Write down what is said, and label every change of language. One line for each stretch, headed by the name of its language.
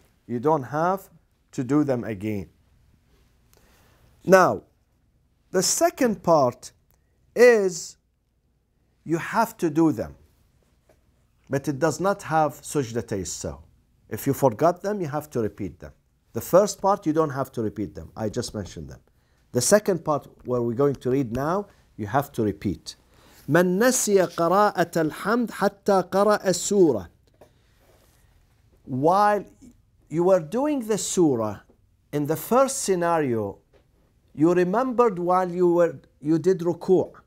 English: You don't have to do them again. Now, the second part is you have to do them. But it does not have sujdatay sahw. If you forgot them, you have to repeat them. The first part, you don't have to repeat them. I just mentioned them. The second part, where we're going to read now, you have to repeat.
Arabic: من نسي قراءة الحمد حتى قرأ السورة.
English: While you were doing the surah, in the first scenario, you remembered while you did ruku'.